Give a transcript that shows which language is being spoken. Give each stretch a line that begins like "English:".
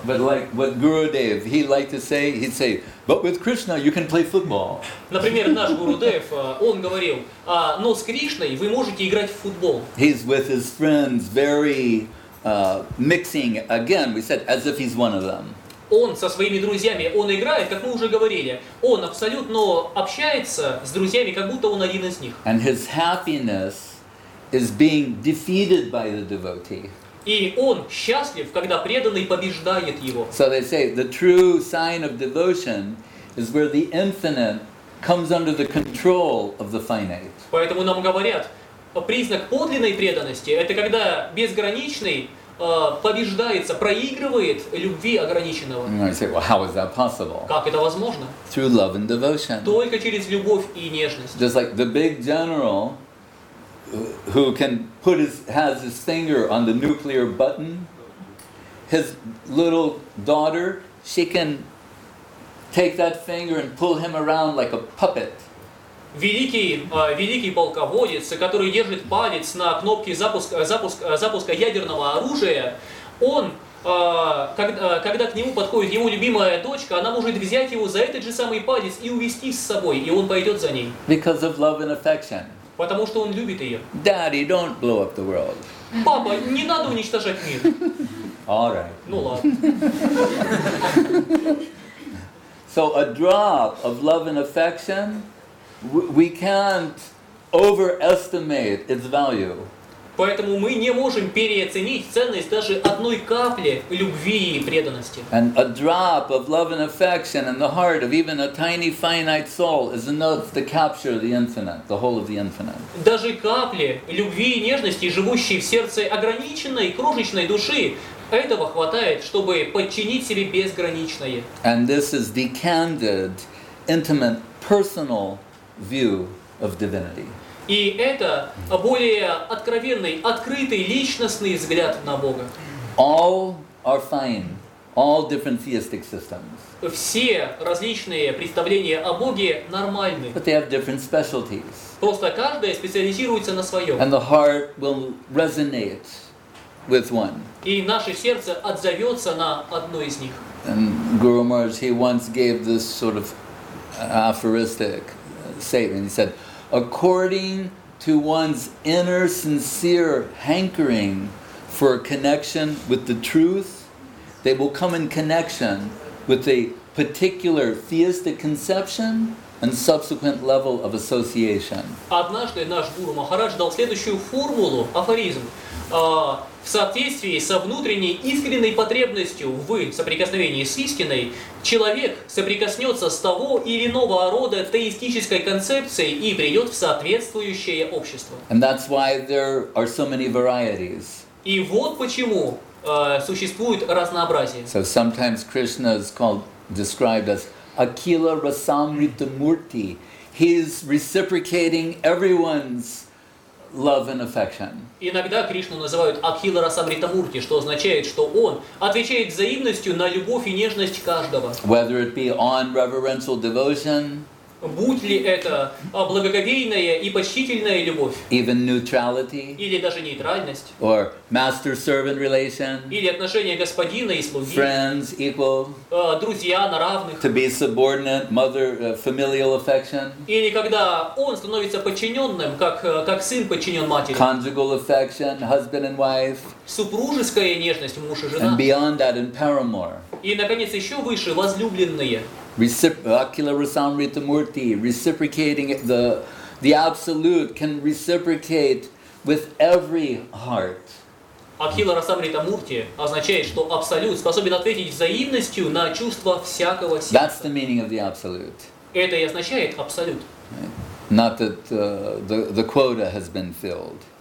English: But like what Gurudev, he liked to say, he'd say, but with Krishna you can play football.
Russian: Например, наш Гурудев, он говорил, но с Кришной вы можете играть в футбол.
English: He's with his friends very mixing, again, we said, as if he's one of them.
Russian: Он со своими друзьями, он играет, как мы уже говорили, он абсолютно общается с друзьями, как будто он один из них.
English: And his happiness is being defeated by the devotee.
Russian: И он счастлив, когда преданный побеждает его.
English: So they say, the true sign of devotion is where the infinite comes under the control of the finite.
Russian: Поэтому нам говорят, признак подлинной преданности – это когда безграничный побеждается, проигрывает любви ограниченного.
English: I say, well, how is that possible?
Russian: Как это возможно?
English: Through love and devotion.
Russian: Только через любовь и нежность.
English: Just like the big general who can put his has his finger on the nuclear button, his little daughter, she can take that finger and pull him around like a puppet.
Russian: Великий полководец, который держит палец на кнопке запуска ядерного оружия, он, когда к нему подходит его любимая дочка, она может взять его за этот же самый палец и увести с собой, и он пойдет за ней.
English: Because of love and affection.
Russian: Потому что он любит ее.
English: Daddy, don't blow up the world.
Russian: Папа, не надо уничтожать мир.
English: All right.
Russian: Ну ладно.
English: So a drop of love and affection, we can't overestimate its value.
Russian: Поэтому мы не можем переоценить ценность даже одной капли любви и преданности.
English: And a drop of love and affection in the heart of even a tiny finite soul is enough to capture the infinite, the whole of the infinite.
Russian: Даже капли любви и нежности, живущие в сердце ограниченной крошечной души, этого хватает, чтобы подчинить себе безграничное.
English: And this is the candid, intimate, personal view of divinity.
Russian: И это более откровенный, открытый, личностный взгляд на Бога.
English: All are fine. All different theistic systems.
Russian: Все различные представления о Боге нормальны.
English: But they have different specialties.
Russian: Просто каждая специализируется на своем.
English: And the heart will resonate with one.
Russian: И наше сердце отзовется на одно из них.
English: And Guru Maharaj, he once gave this sort of aphoristic statement. He said, according to one's inner sincere hankering for a connection with the truth, they will come in connection with a particular theistic conception and subsequent level of association.
Russian: Однажды наш гуру Махарадж дал следующую формулу, афоризм. В соответствии со внутренней искренней потребностью в соприкосновении с истиной, человек соприкоснется с того или иного рода теистической концепцией и придет в соответствующее общество.
English: And that's why there are so many varieties.
Russian: И вот почему существует разнообразие.
English: So sometimes Krishna is described as Akila Rasamrita Murti. He's reciprocating everyone's love and affection.
Russian: Иногда Кришну называют Акхила Расамрита Мурти, что означает, что он отвечает взаимностью на любовь и нежность каждого.
English: Whether it be on reverential devotion,
Russian: будь ли это благоговейная и почтительная любовь,
English: even neutrality,
Russian: или даже нейтральность,
English: or master-servant relation,
Russian: или отношения господина и слуги,
English: friends, equal,
Russian: друзья на равных,
English: to be subordinate, mother, familial affection,
Russian: или когда он становится подчиненным, как сын подчинен матери,
English: conjugal affection, husband and wife,
Russian: супружеская нежность муж и жена,
English: and beyond that in paramour,
Russian: и, наконец, еще выше, возлюбленные.
English: Akila Rasamrita Murti, reciprocating the absolute can reciprocate with every heart.
Russian: Akila Rasamrita Murti означает, что абсолют способен ответить взаимностью на чувства всякого сердца.
English: That's the meaning of the absolute.
Russian: Это и означает абсолют.
English: Not that the quota has been filled.